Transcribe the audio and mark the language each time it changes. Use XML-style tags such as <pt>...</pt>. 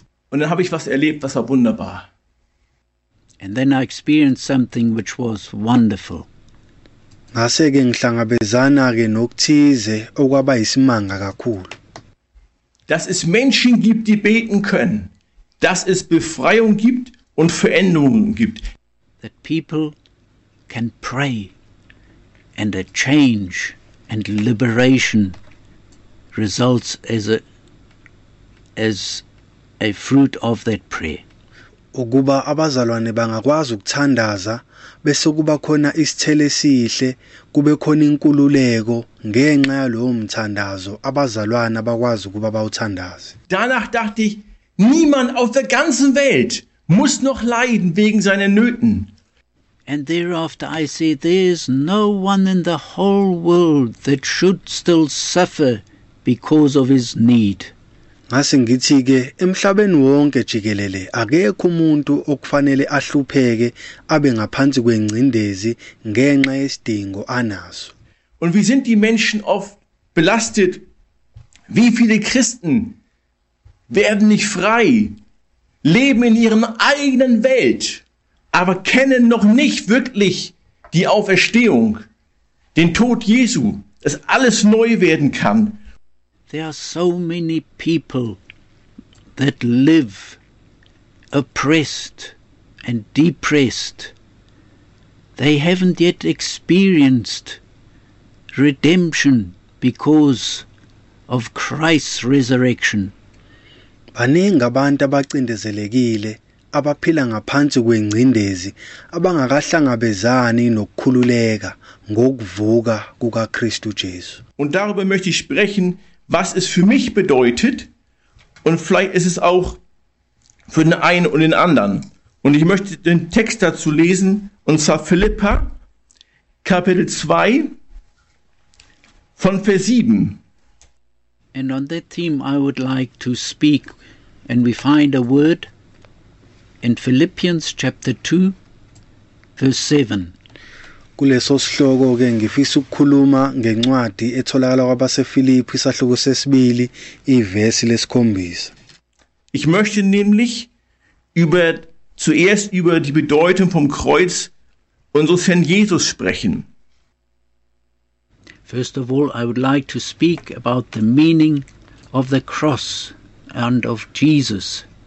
<de>Und dann habe ich was erlebt, das war wunderbar.</de> <en>And then I experienced something which was wonderful.</en> <zu>Ngase-ke ngihlangabezana ke nokuthize okwaba yisimanga kakhulu.</zu> <de>Dass es Menschen gibt, die beten können. Dass es Befreiung gibt und Veränderungen gibt.</de> <en>That people can pray and a change and liberation results as a fruit of that prayer.</en> <zu>ukuba abazalwane bangakwazi ukuthandaza bese kuba khona isithele sihle kube khona inkululeko ngenxa yalowo mthandazo abazalwane bakwazi ukuba bawuthandaze.</zu> <de>Danach dachte ich, niemand auf der ganzen Welt muss noch leiden wegen seiner Nöten.</de> <en>And thereafter I say, there's no one in the whole world that should still suffer because of his need.</en> <zu>Ngase ngithi ke emhlabeni wonke jikelele akekho umuntu okufanele ahlupheke abe ngaphansi kwengcindezi ngenxa yesidingo anaso.</zu> <de>Und wie sind die Menschen oft belastet? Wie viele Christen werden nicht frei, leben in ihrer eigenen Welt, aber kennen noch nicht wirklich die Auferstehung, den Tod Jesu, dass alles neu werden kann.</de> <en>There are so many people that live oppressed and depressed. They haven't yet experienced redemption because of Christ's resurrection.</en> <zu>Baningi abantu abacindezelekile abaphila ngaphansi kwengcindezi abangakahlangabezani nokukhululeka ngokuvuka kukaKristu Jesu.</zu> <de>Und darüber möchte ich sprechen, was es für mich bedeutet und vielleicht ist es auch für den einen und den anderen. Und ich möchte den Text dazu lesen, und zwar Philipper Kapitel 2 von Vers 7.</de> <en>And on that theme I would like to speak, and we find a word in Philippians chapter 2 verse 7.</en> <zu>Kuleso sihloko ke ngifisa ukukhuluma ngencwadi etholakala kwabaseFiliphi isahloko sesibili ivesi lesikhombisa.</zu> <de>Ich möchte nämlich zuerst über die Bedeutung vom Kreuz unseres Herrn Jesus sprechen.</de> <en>First of all, I would like to speak about the meaning of the cross and of Jesus.</en>